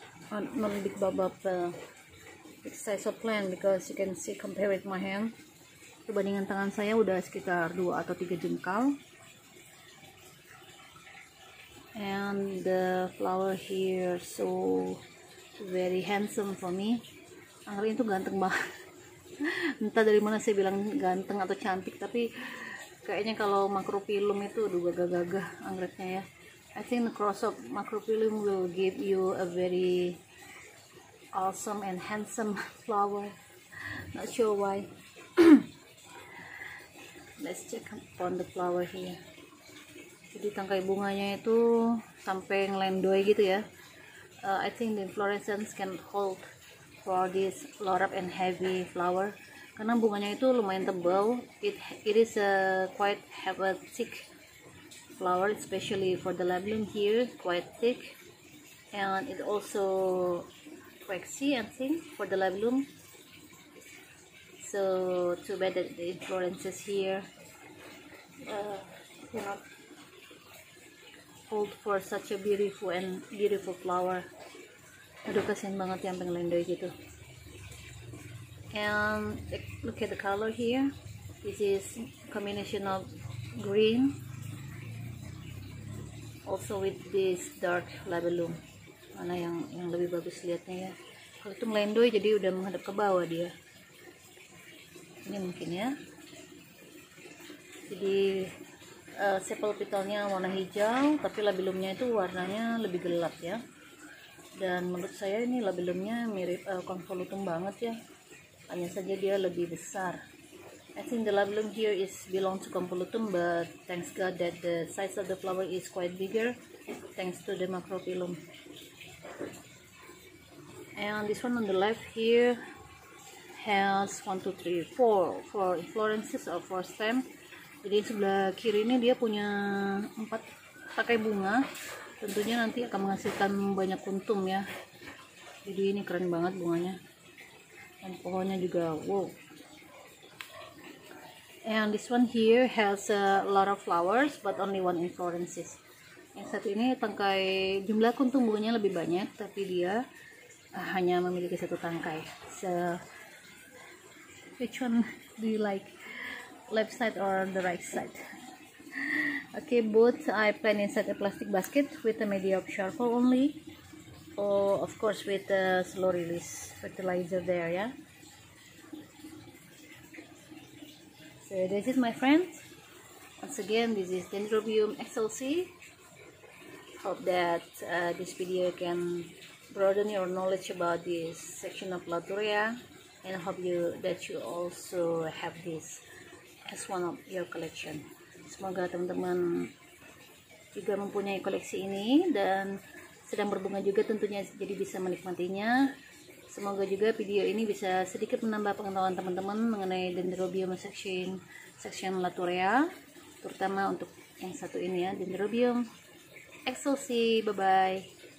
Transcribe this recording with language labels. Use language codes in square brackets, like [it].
[en] Not big bulb, but big size of plant, because you can see compare with my hand. [id] Perbandingan tangan saya udah sekitar 2 atau 3 jengkal. [en] And the flower here so very handsome for me. [id] Anggrek itu ganteng banget. Entah dari mana saya bilang ganteng atau cantik, tapi kayaknya kalau macropilum itu udah gagah-gagah anggreknya ya. [en] I think the cross of macropilum will give you a very awesome and handsome flower. Not sure why. Let's check upon the flower here. [id] Jadi tangkai bunganya itu sampai ngelendoy gitu ya. [en] I think the inflorescence can hold for this large and heavy flower. [id] Karena bunganya itu lumayan tebal. [en] It is a quite have a thick flower, especially for the labellum here, quite thick. And it also waxy, I think, for the labellum. So too bad that the inflorescence here cannot hold for such a beautiful and beautiful flower. [id] Aduh, kasihan banget yang pengelendoy gitu. [en] And look at the color here. This is combination of green also with this dark labellum. [id] Mana yang lebih bagus liatnya ya? Kalau itu melendoy, jadi udah menghadap ke bawah dia. Ini mungkin ya. Jadi sepal petalnya warna hijau, tapi labellumnya itu warnanya lebih gelap ya. Dan menurut saya ini labellumnya mirip convolutum banget ya. Hanya saja dia lebih besar. [en] I think the labellum here is belong to convolutum, but thanks God that the size of the flower is quite bigger thanks to the macropilum. And this one on the left here has 1, 2, 3, 4 inflorescences or 4 stem. [id] Jadi sebelah kiri ini dia punya 4 pakai bunga. Tentunya nanti akan menghasilkan banyak kuntum ya. Jadi ini keren banget bunganya. Dan pohonnya juga wow. [en] And this one here has a lot of flowers but only one inflorescences. [id] Yang satu ini tangkai, jumlah kuntum bunganya lebih banyak, tapi dia hanya memiliki satu tangkai. [en] So, which one do you like? Left side or the right side? Okay, both I plant inside a plastic basket with a media of charcoal only, or of course with a slow release fertilizer there, yeah. So this is my friend. Once again, this is Dendrobium XLC. Hope that this video can broaden your knowledge about this section of Latoria, and hope you that you also have this as one of your collection. [id] Semoga teman-teman juga mempunyai koleksi ini dan sedang berbunga juga tentunya, jadi bisa menikmatinya. Semoga juga video ini bisa sedikit menambah pengetahuan teman-teman mengenai Dendrobium section Latoria, terutama untuk yang satu ini ya, Dendrobium XLC. Bye-bye.